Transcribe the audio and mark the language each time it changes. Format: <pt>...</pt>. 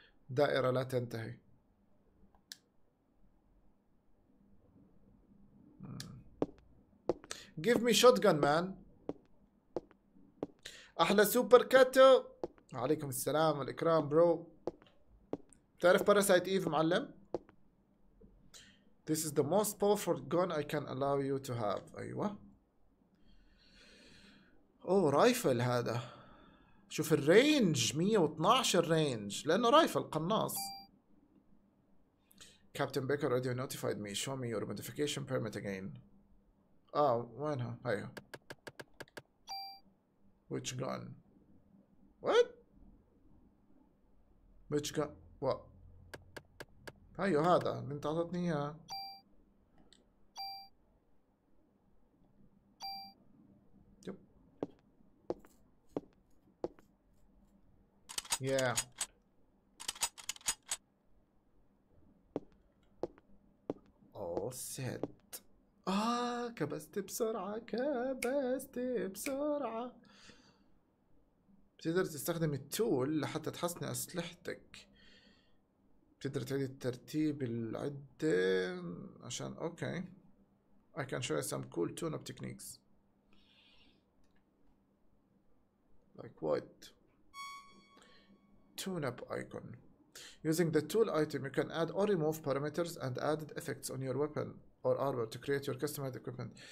<ar>دائرة لا تنتهي.</ar> <en>Give me shotgun man.</en> <ar>احلى سوبر كاتو. عليكم السلام والاكرام برو. تعرف</ar> <en>Parasite Eve</en> <ar>معلم؟</ar> <en>This is the most powerful gun I can allow you to have.</en> <ar>أيوة. أوه رايفل هذا. شوف الرينج 112 رينج لأنه رايفل قناص.</ar> <en>Captain Baker already notified me. Show me your modification permit again.</en> <ar>آه وينها؟ أيوة.</ar> <en>Which gun? What? Which gun? What?</en> <ar>أيوة هذا اللي انت عطتني إياه.</ar> <en>Yeah. All set.</en> <ar>كبست بسرعة كبست بسرعة. بتقدر تستخدم التول لحتى تحسن أسلحتك. بتقدر تعيد ترتيب العدة عشان أوكي.</ar> <en>I can show you some cool tune-up techniques. Like what? Tune-up icon. Using the tool item, you can add or remove parameters and added effects on your weapon or armor to create your customized equipment.</en>